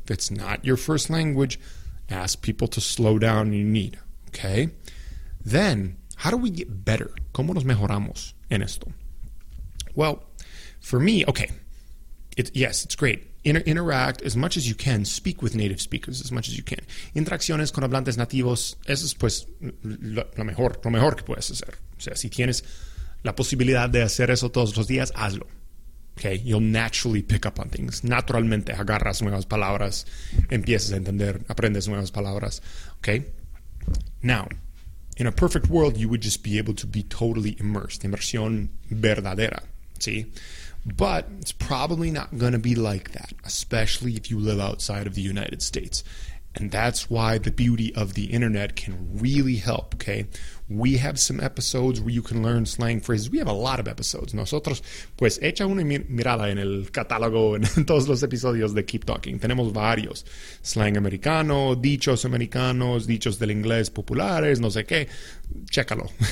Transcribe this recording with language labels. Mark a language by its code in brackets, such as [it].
[en] If it's not your first language, ask people to slow down you need, ¿ok? Then, how do we get better? [es] ¿Cómo nos mejoramos en esto? [en] Well, for me, okay, yes, it's great. Interact as much as you can. Speak with native speakers as much as you can. [es] Interacciones con hablantes nativos, eso es pues lo mejor que puedes hacer. O sea, si tienes la posibilidad de hacer eso todos los días, hazlo. Okay, [en] you'll naturally pick up on things. [es] Naturalmente agarras nuevas palabras, empiezas a entender, aprendes nuevas palabras. [en] Okay, now, in a perfect world, you would just be able to be totally immersed. [es] Inmersión verdadera. [en] See? But it's probably not going to be like that, especially if you live outside of the United States. And that's why the beauty of the internet can really help, okay? We have some episodes where you can learn slang phrases. We have a lot of episodes. [es] Nosotros, pues, echa una mirada en el catálogo en todos los episodios de Keep Talking. Tenemos varios. Slang americano, dichos americanos, dichos del inglés populares, no sé qué. Chécalo.